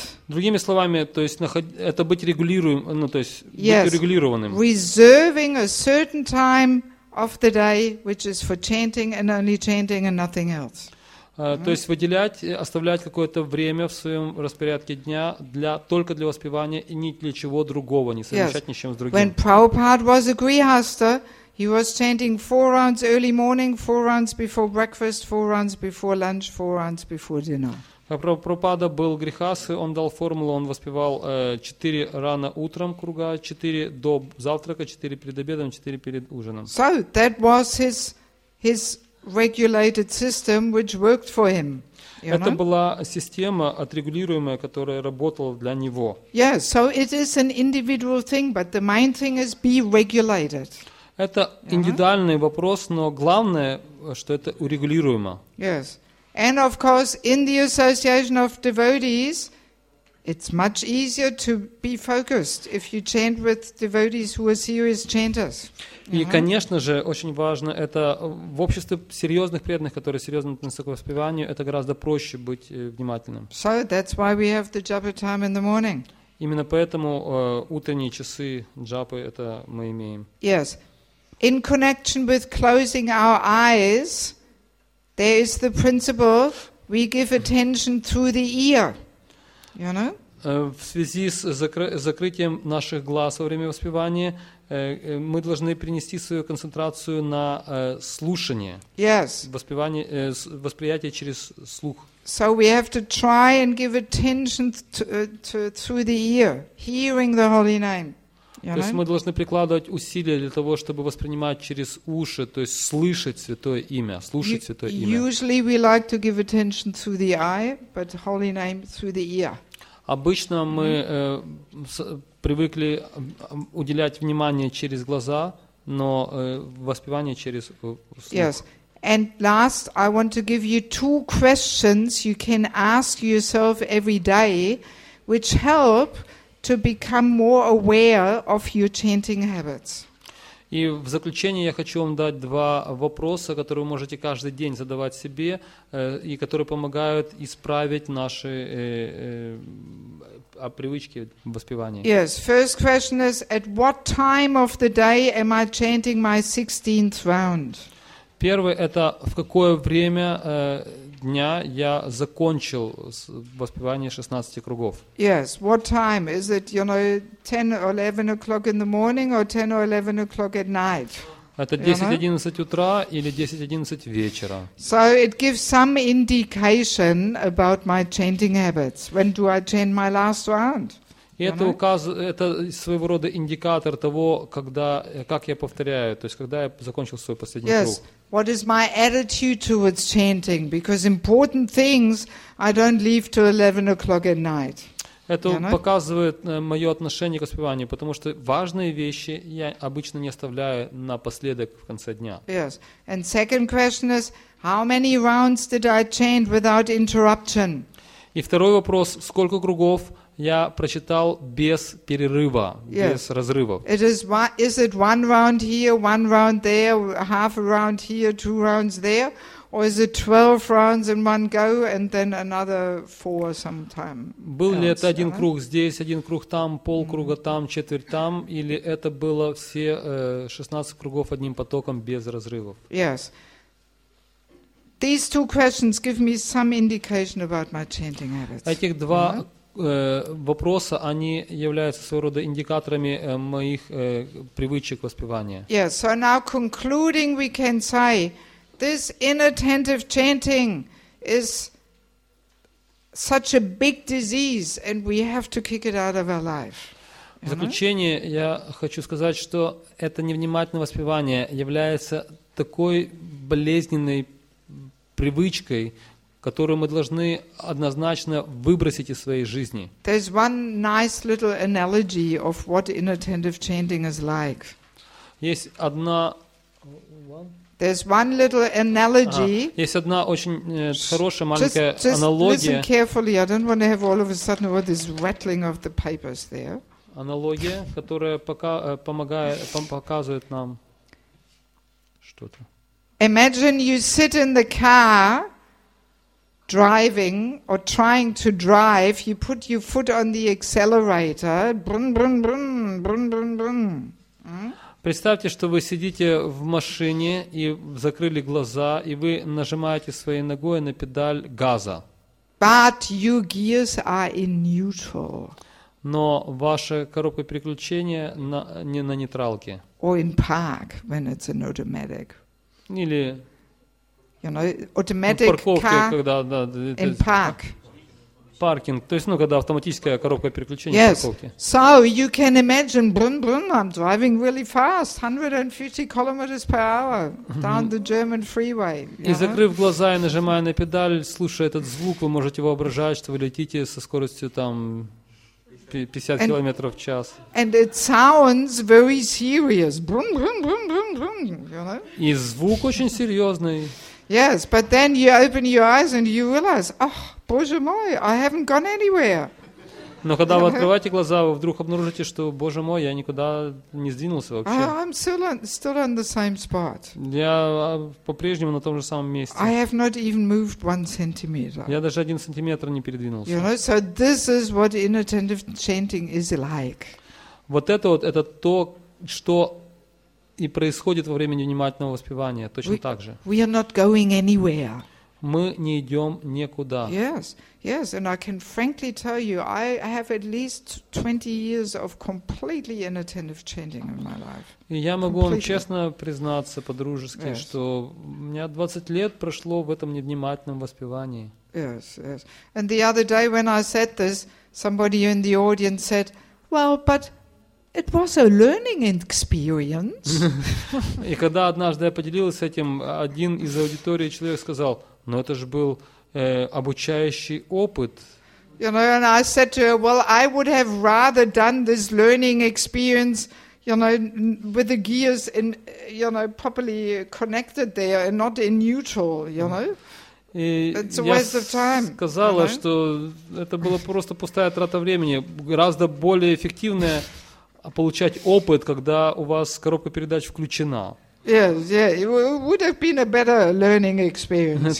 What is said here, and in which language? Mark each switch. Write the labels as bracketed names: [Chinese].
[Russian] Другими словами, то есть это быть регулируем, ну то есть [English] yes. [Russian] быть урегулированным. [English] Reserving a certain time of the day which is for chanting and only chanting and nothing else. [Russian] То есть выделять, оставлять какое-то время в своем распорядке дня для, только для воспевания и ни для чего другого, не совмещать [English] yes. [Russian] ни с чем с другим. [English] When Prabhupada was a grihastha, he was chanting 4 rounds early morning, 4 rounds before breakfast, 4 rounds before lunch, 4 rounds before dinner. [Russian] Когда Прабхупада был грихастхой, он дал формулу, он воспевал 4 рано утром круга, 4 до завтрака, 4 перед обедом, 4 перед ужином. [English] So that was his regulated system which worked for him. [Russian] Это была система отрегулируемая, которая работала для него. [English] Yes, so it is an individual thing, but the main thing is be regulated. [Russian] Это индивидуальный вопрос, но главное, что это урегулируемо. [English] Yes. And of course, in the association of devotees, it's much easier to be focused if you chant with devotees who are serious chanters. [Russian] И, конечно же, очень важно, это в обществе серьезных преданных, которые серьезно относятся к воспеванию, это гораздо проще быть внимательным. [English] So that's why we have the japa time in the morning. [Russian] Именно поэтому утренние часы джапы это мы имеем. [English] Yes. In connection with closing our eyes, there is the principle we give attention through the ear. You know? [Russian] В связи с закрытием наших глаз во время воспевания мы должны принести свою концентрацию на слушание. [English] Yes. [Russian] Воспевание, восприятие через слух. [English] So we have to try and give attention to through the ear, hearing the holy name. You [Russian] know? То есть мы должны прикладывать усилия для того, чтобы воспринимать через уши, то есть слышать святое имя, слушать святое имя. [English] Usually we like to give attention through the eye, but holy name through the ear. [Russian] Обычно мы привыкли уделять внимание через глаза, но воспевание через слух. [English] Yes. And last, I want to give you 2 questions you can ask yourself every day, which help to become more aware of your chanting habits. [Russian] И в заключение я хочу вам дать 2 вопроса, которые вы можете каждый день задавать себе, и которые помогают исправить наши привычки воспевания. [English] Yes, first question is, at what time of the day am I chanting my 16th round? [Russian] Первое – это в какое время дня я закончил воспевание 16 кругов. [English] Yes, what time? Is it, you know, 10 or 11 o'clock in the morning or 10 or 11 o'clock at night? [Russian] Это 10-11 утра или 10-11 вечера. [English] So it gives some indication about my chanting habits. When do I chant my last round? [Russian] И это указывает, это своего рода индикатор того, когда, как я повторяю, то есть когда я закончил свой последний [English] yes. [Russian] круг. [English] Yes. What is my attitude towards chanting? Because important things I don't leave to 11 o'clock at night. [Russian] Это показывает мое отношение к воспеванию, потому что важные вещи я обычно не оставляю напоследок в конце дня. [English] Yes. And second question is, how many rounds did I chant without interruption? [Russian] И второй вопрос, сколько кругов Я прочитал без перерыва, без разрывов. [English] It is, is it one round here, one round there, half a round here, two rounds there? Or is it 12 rounds in one go and then another four sometime? [Russian] Был ли это один круг здесь, один круг там, полкруга там, четверть там, или это было все 16 кругов одним потоком без разрывов? [English] Yes. These two questions give me some indication about my chanting habits. [Russian] Этих два вопроса, они являются своего рода индикаторами моих привычек воспевания. [English] Yes, so now concluding we can say this inattentive chanting is such a big disease and we have to kick it out of our life. [Russian] В заключение я хочу сказать, что это невнимательное воспевание является такой болезненной привычкой, которую мы должны однозначно выбросить из своей жизни. [English] There's one nice little analogy of what inattentive chanting is like. [Russian] Есть одна [English] There's one little analogy. [Russian] Есть одна очень хорошая маленькая аналогия. [English] Listen carefully. I don't want to have all of a sudden all this rattling of the papers there. [Russian] Аналогия, которая показывает нам что-то. [English] Imagine you sit in the car driving or trying to drive, you put your foot on the accelerator, brum brum brum brum brum brum. [Russian] Представьте, что вы сидите в машине и закрыли глаза, и вы нажимаете своей ногой на педаль газа. [English] But your gears are in neutral. [Russian] Но ваша коробка переключения не на нейтралке. [English] Or in park when it's an automatic. [Russian] Или [English] you know, automatic [Russian] в парковке, [English] car [Russian] когда да, [English] in park. [Russian] Паркинг, то есть, ну, когда автоматическая коробка переключения [English] yes. [Russian] в парковке. [English] So you can imagine, brum, brum, I'm driving really fast, 150 kilometers per hour down the German freeway. [Russian] И закрыв глаза и нажимая на педаль, слушая этот звук, вы можете воображать, что вы летите со скоростью там 50 километров в час. [English] And it sounds very serious, brum, brum, brum, brum, brum, you know? [Russian] И звук очень серьезный. [English] Yes, but then you open your eyes and you realize, oh, [Russian] Боже мой, [English] I haven't gone anywhere. [Russian] Но когда вы открываете глаза, вы вдруг обнаружите, что, Боже мой, я никуда не сдвинулся вообще. [English] I'm still on the same spot. [Russian] Я по-прежнему на том же самом месте. [English] I have not even moved one centimeter. [Russian] Я даже один сантиметр не передвинулся. [English] You know, so this is what inattentive chanting is like. [Russian] Вот это вот, это то, что и происходит во время невнимательного воспевания, точно так же. [English] We are not going anywhere. [Russian] Мы не идем никуда. [English] Yes, yes, and I can frankly tell you, I have at least 20 years of completely inattentive chanting in my life. [Russian] И я могу вам честно признаться, по-дружески, yes. что у меня 20 лет прошло в этом невнимательном воспевании. [English] Yes, yes. And the other day when I said this, somebody in the audience said, well, but it was a learning experience. [Russian] И когда однажды я поделился этим, один из аудитории человек сказал, но это же был обучающий опыт. [English] You know, and I said to her, well, I would have rather done this learning experience, you know, with the gears in, you know, properly connected there and not in neutral, you know. [Russian] И [English] it's a waste of time. [Russian] Я сказала, [English] you know? [Russian] Что это была просто пустая трата времени, гораздо более эффективная получать опыт, когда у вас коробка передач включена. [English] Yes, yeah, it would have been a better learning experience.